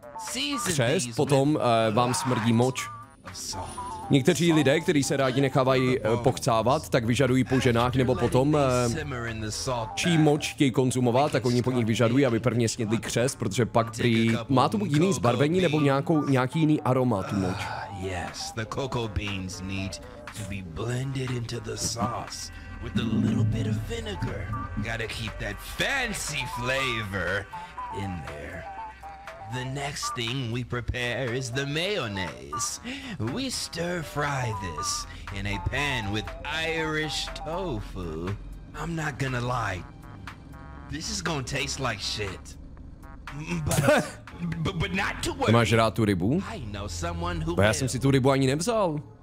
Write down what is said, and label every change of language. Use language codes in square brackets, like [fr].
[cs] Season these potom vám smrdí moč. Někteří lidé, kteří se rádi nechávají pochcávat, tak vyžadují po ženách, nebo potom čí moč chtějí konzumovat, tak oni po nich vyžadují, aby prvně snědli křes, protože pak prý má to buď jiný zbarvení nebo nějaký jiný aroma tu moč. [en] Yes, the cocoa beans need to be blended into the sauce with a little bit of vinegar. Gotta keep that fancy flavor in there. The next thing we prepare is the mayonnaise. We stir fry this in a pan with Irish tofu. I'm not gonna lie, this is gonna taste like shit. But not to worry. [cs] Máš rád tu rybu? Bo já jsem si tu rybu ani nevzal.